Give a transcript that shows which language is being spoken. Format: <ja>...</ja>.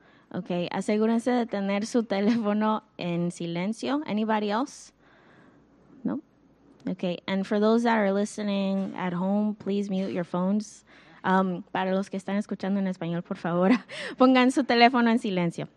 <es>Okay, asegúrense de tener su teléfono en silencio.</es> <en>Anybody else? No? Okay, and for those that are listening at home, please mute your phones.</en> <es>Para los que están escuchando en español, por favor, pongan su teléfono en silencio.</es>